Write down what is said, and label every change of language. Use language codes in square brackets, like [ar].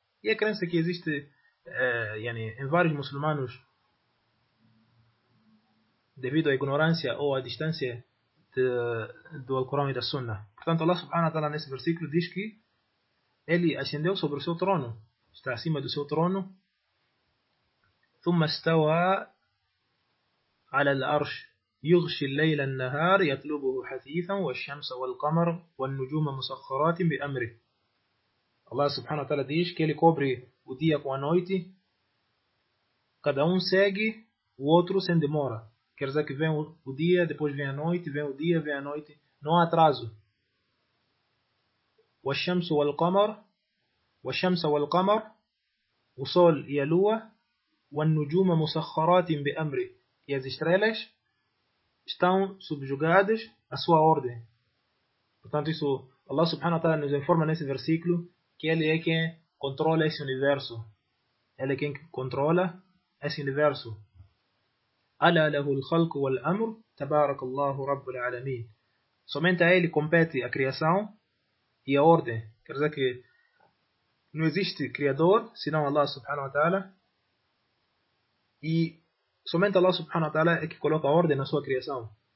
[pt] E a crença que existe em vários muçulmanos, devido à ignorância ou à distância do Alcorão e da Sunna. Portanto, Allah subhanahu wa ta'ala nesse versículo diz que ele ascendeu sobre o seu trono, está acima do seu trono. [ar] ثم استوى على العرش يغشي الليل النهار يطلبه حثيثا والشمس والقمر والنجوم مسخرات بأمره. [pt] Allah subhanahu wa ta'ala diz que ele cobre o dia com a noite, cada um segue o outro sem demora. Quer dizer que vem o dia, depois vem a noite, vem o dia, vem a noite, não há atraso. [ar] والشمس والقمر, والشمس والقمر, [pt] o sol e a lua, [ar] والنجوم مسخرات بأمره, [pt] e as estrelas estão subjugadas à sua ordem. Portanto, isso Allah subhanahu wa ta'ala nos informa nesse versículo que ele é quem controla esse universo. Ele é quem controla esse universo. [ar] ألا له الخلق والأمر تبارك الله رب العالمين. [pt] Somente a ele compete a criação e a ordem. Quer dizer que não existe criador senão Allah subhanahu wa ta'ala, e somente Allah subhanahu wa ta'ala é que coloca ordem na sua criação.